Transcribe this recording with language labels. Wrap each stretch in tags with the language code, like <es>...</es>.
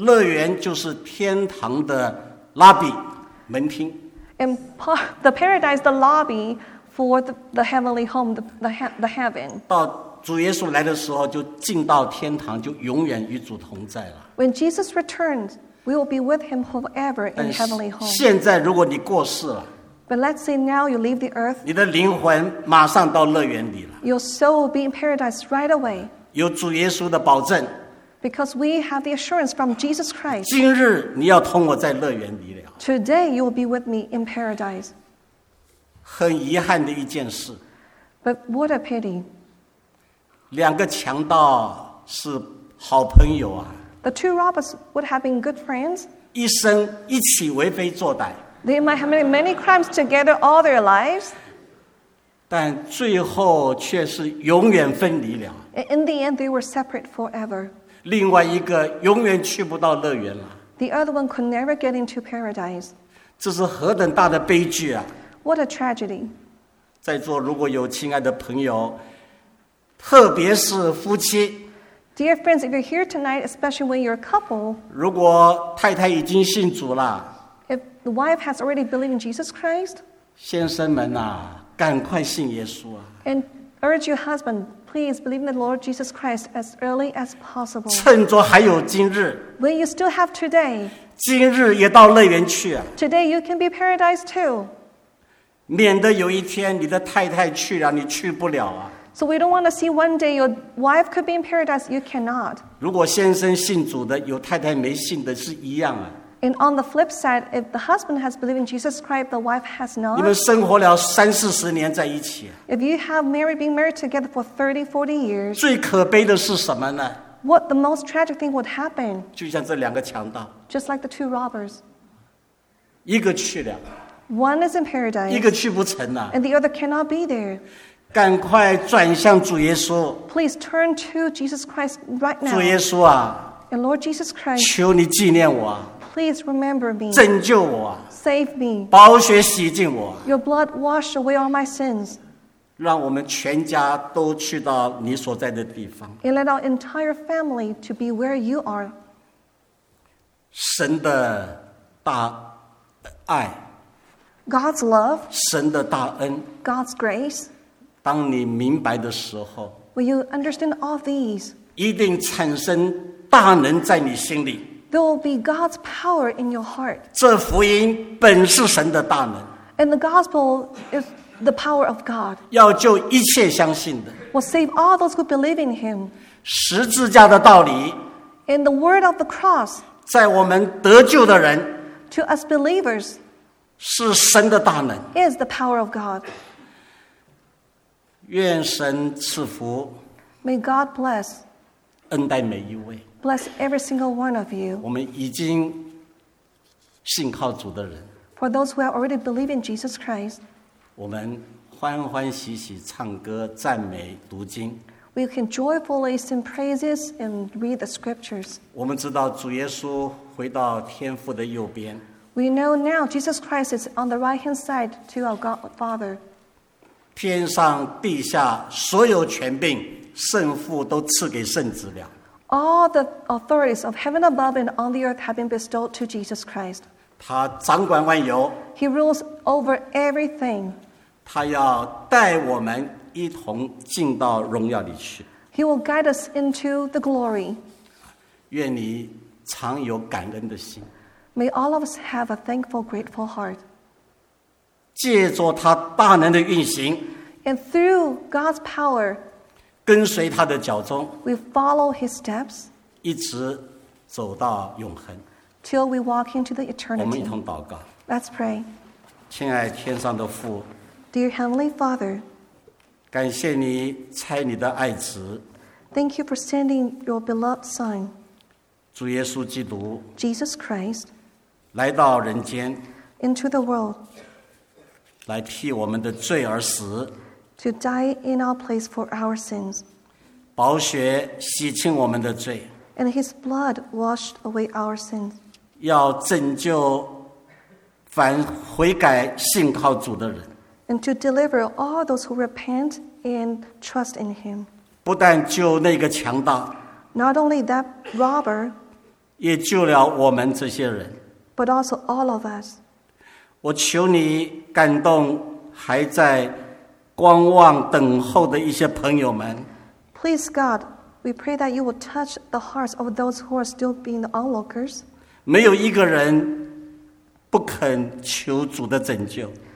<zh>乐园就是天堂的拉比门厅。</zh> <en>And the paradise, the lobby for the heavenly home, the heaven.</en> <zh>到主耶稣来的时候，就进到天堂，就永远与主同在了。</zh> <en>When Jesus returns, we will be with him forever in heavenly home.</en> <zh>现在如果你过世了</zh> <en>，But let's say now you leave the earth.</en> <zh>你的灵魂马上到乐园里了。</zh> <en>Your soul will be in paradise right away.</en> <zh>有主耶稣的保证。</zh> <en>Because we have the assurance from Jesus Christ.</en> <zh>今日你要同我在乐园里了。</zh> <en>Today you will be with me in paradise.</en> <zh>很遗憾的一件事。</zh> <en>But what a pity.</en> <zh>两个强盗是好朋友啊。</zh> <en>The two robbers would have been good friends.</en> <zh>一生一起为非作歹。</zh> <en>They might have made many crimes together all their lives.</en> <zh>但最后却是永远分离了。</zh> <en>In the end, they were separate forever.</en> <zh>另外一个永远去不到乐园了。</zh> <en>The other one could never get into paradise.</en> <zh>这是何等大的悲剧啊</zh> <en>！What a tragedy!</en> <zh>在座如果有亲爱的朋友，特别是夫妻</zh> <en>，Dear friends, if you're here tonight, especially when you're a couple,</en> <zh>如果太太已经信主了</zh> <en>，If the wife has already believed in Jesus Christ,</en> <zh>先生们啊，赶快信耶稣啊。</zh> <en>And urge your husband, please believe in the Lord Jesus Christ as early as possible.</en> <zh>趁着还有今日。</zh> <en>When you still have today.</en> <zh>今日也到乐园去啊。</zh> <en>Today you can be paradise too.</en> <zh>免得有一天你的太太去了，你去不了啊。</zh> <en>So we don't want to see one day your wife could be in paradise, you cannot.</en> <zh>如果先生信主的，有太太没信的是一样啊。</zh> <en>And on the flip side, if the husband has believed in Jesus Christ, the wife has not.</en> <zh>你们生活了三四十年在一起。</zh> <en>If you have married, been married together for 30, 40 years.</en> <zh>最可悲的是什么呢？</zh> <en>What the most tragic thing would happen?</en> <zh>就像这两个强盗。</zh> <en>Just like the two robbers.</en> <zh>一个去了。</zh> <en>One is in paradise.</en> <zh>一个去不成了。</zh> <en>And the other cannot be there.</en> <zh>赶快转向主耶稣。</zh> <en>Please turn to Jesus Christ right now.</en> <zh>主耶稣啊。</zh> <en>And Lord Jesus Christ.</en> <zh>求你纪念我。</zh> <en>Please remember me.</en> <zh>拯救我。</zh> <en>Save me.</en> <zh>宝血洗净我。</zh> <en>Your blood wash away all my sins.</en> <zh>让我们全家都去到你所在的地方。</zh> <en>And let our entire family to be where you are.</en> <zh>神的大爱。</zh> <en>God's love.</en> <zh>神的大恩。</zh> <en>God's grace.</en> <zh>当你明白的时候</zh> <en>，Will you understand all these？</en> <zh>一定产生大能在你心里。</zh> <en>There will be God's power in your heart。</en> <zh>这福音本是神的大能。</zh> <en>And the gospel is the power of God。</en> <zh>要救一切相信的。</zh> <en>Will save all those who believe in Him。</en> <zh>十字架的道理。</zh> <en>And the word of the cross。</en> <zh>在我们得救的人。</zh> <en>To us believers。</en> <zh>是神的大能。</zh> <en>Is the power of God。</en> <zh>愿神赐福</zh> <en>May God bless</en> <zh>恩待每一位</zh> <en>Bless every single one of you</en> <zh>我们已经信靠主的人</zh> <en>For those who have already believed in Jesus Christ</en> <zh>我们欢欢喜喜唱歌赞美读经</zh> <en>We can joyfully sing praises and read the scriptures</en> <zh>我们知道主耶稣回到天父的右边</zh> <en>We know now Jesus Christ is on the right hand side to our God Father</en> <zh>天上地下所有权柄圣父都赐给圣子了</zh> <en>All the authorities of heaven above and on the earth have been bestowed to Jesus Christ</en> <zh>他掌管万有</zh> <en>He rules over everything</en> <zh>他要带我们一同进到荣耀里去</zh> <en>He will guide us into the glory</en> <zh>愿你常有感恩的心</zh> <en>May all of us have a thankful, grateful heart</en> <zh>借着他大能的运行</zh> <en>And through God's power</en> <zh>跟随他的脚踪</zh> <en>We follow his steps</en> <zh>一直走到永恒</zh> <en>Till we walk into the eternity</en> <zh>我们一同祷告</zh> <en>Let's pray</en> <zh>亲爱天上的父</zh> <en>Dear Heavenly Father</en> <zh>感谢你差你的爱子</zh> <en>Thank you for sending your beloved son</en> <zh>主耶稣基督</zh> <en>Jesus Christ</en> <zh>来到人间</zh> <en>Into the world</en> <zh>来替我们的罪而死</zh> <en>To die in our place for our sins</en> <zh>宝血洗清我们的罪</zh> <en>And his blood washed away our sins</en> <zh>要拯救凡悔改信靠主的人</zh> <en>And to deliver all those who repent and trust in him</en> <zh>不但救那个强盗</zh> <en>Not only that robber</en> <zh>也救了我们这些人</zh> <en>But also all of us</en> <zh>我求你感动还在观望等候的一些朋友们。</zh> <en>Please God, we pray that you will touch the hearts of those who are still being the onlookers.</en> <zh>没有一个人不肯求主的拯救。</zh>